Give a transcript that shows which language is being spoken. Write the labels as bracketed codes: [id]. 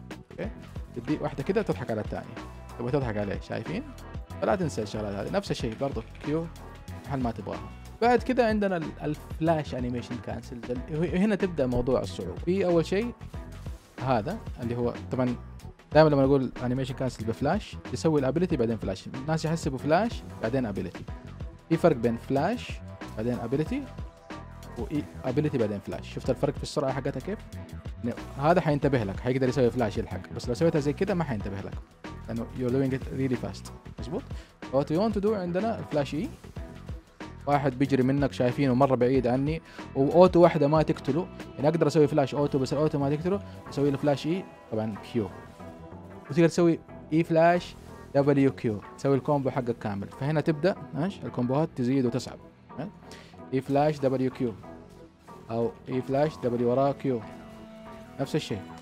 [ar] أوكي تدي واحدة كذا تضحك على الثانية تبغى تضحك عليه شايفين فلا تنسى الشغلات هذه نفس الشيء برضو كيو حال ما تبغاها بعد كده عندنا الفلاش انيميشن كانسل هنا تبدا موضوع الصعوبه في اول شيء هذا اللي هو طبعا دائما لما اقول انيميشن كانسل بفلاش يسوي الابيليتي بعدين فلاش الناس يحسبوا فلاش بعدين ابيليتي في فرق بين فلاش بعدين ابيليتي وابيليتي بعدين فلاش شفت الفرق في السرعه حقتها كيف هذا حينتبه لك حيقدر يسوي فلاش يلحق بس لو سويتها زي كده ما حينتبه لك [en] لانه you're doing it really fast. [ar] مزبوط. [en] What you want to do عندنا flash E. [ar] واحد بيجري منك شايفينه مره بعيد عني واوتو واحده ما تقتله. يعني اقدر اسوي فلاش اوتو بس الاوتو ما تقتله, اسوي له فلاش اي طبعا كيو, وتقدر تسوي اي فلاش دبليو كيو تسوي الكومبو حقك كامل. فهنا تبدا ماشي الكومبوهات تزيد وتصعب. اي فلاش دبليو كيو او اي فلاش دبليو ورا كيو نفس الشيء.